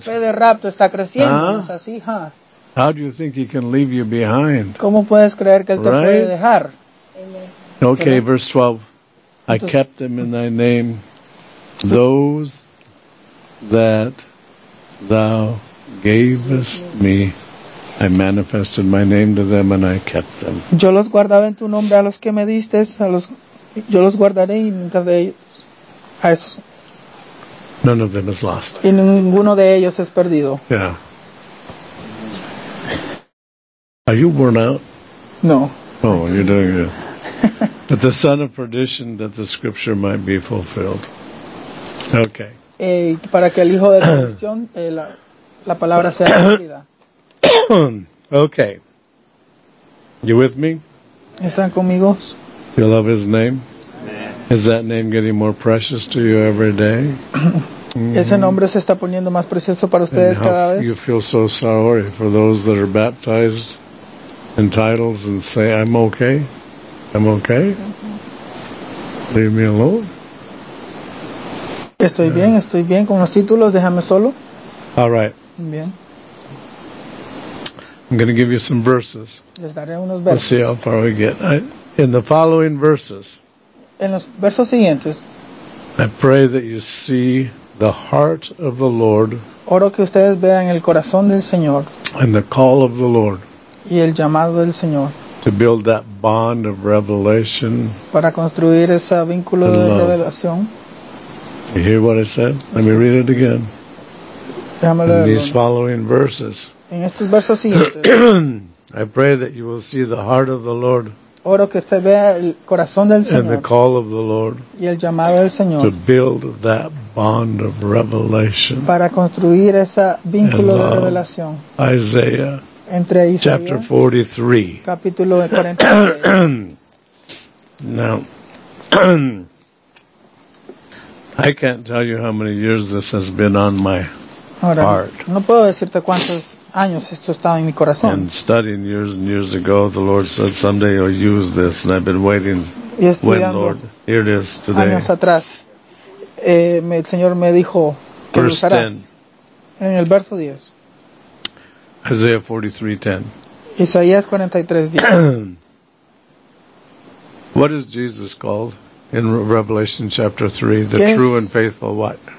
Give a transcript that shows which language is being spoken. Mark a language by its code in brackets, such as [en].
[es] Fe de rapto está creciendo, ¿es así, ha? [en] How do you think he can leave you behind? [es] ¿Cómo puedes creer que él te [en] right? [es] puede dejar? [en] Okay, [es] ¿verdad? [en] Verse 12. [es] Entonces, [en] I kept them in thy name, those that thou gavest me. I manifested my name to them and I kept them. [es] Yo los guardaba en tu nombre a los que me diste, yo los guardaré y nunca de ellos a esos. [en] None of them is lost. [es] Y ninguno de ellos es perdido. [en] Yeah. Are you worn out? No. Oh, you're doing good. But the son of perdition that the scripture might be fulfilled. Okay. [es] Para que el hijo de perdición la palabra sea cumplida. [en] Okay. You with me? [es] ¿Están conmigo? [en] You love his name? Amen. Is that name getting more precious to you every day? [es] Ese nombre se está poniendo más precioso para ustedes cada vez. [en] You feel so sorry for those that are baptized in titles and say, I'm okay. I'm okay. Leave me alone. [es] Estoy bien con los títulos, déjame solo. [en] All right. [es] Bien. [en] I'm going to give you some verses. [es] Les daré unos versos. [en] Let's see how far we get. In the following verses. [es] En los versos siguientes. [en] I pray that you see the heart of the Lord. [es] Oro que ustedes vean el corazón del Señor. [en] And the call of the Lord. [es] Y el llamado del Señor. [en] To build that bond of revelation. [es] Para construir ese vínculo de revelación. [en] You hear what I said? Let me read it again. In these following verses. [es] En estos versos siguientes. [en] I pray that you will see the heart of the Lord. [es] Oro que usted vea el corazón del Señor. [en] And the call of the Lord. [es] Y el llamado del Señor. [en] To build that bond of revelation. [es] Para construir ese vínculo de revelación. [en] Isaiah. [es] Entre Isaías. [en] Chapter 43. [es] Capítulo 43. [en] Now. I can't tell you how many years this has been on my heart. [es] No puedo decirte cuántos años esto estaba en mi corazón. [en] And studying years and years ago, the Lord said, someday you'll use this, and I've been waiting. When, Lord, here it is today. [es] Años atrás, el Señor me dijo que lo usarás. [en] Verse 10. [es] En el verso 10. [en] Isaiah 43:10. [es] Isaías 43:10. [en] What is Jesus called? In Revelation chapter 3, the true and faithful what?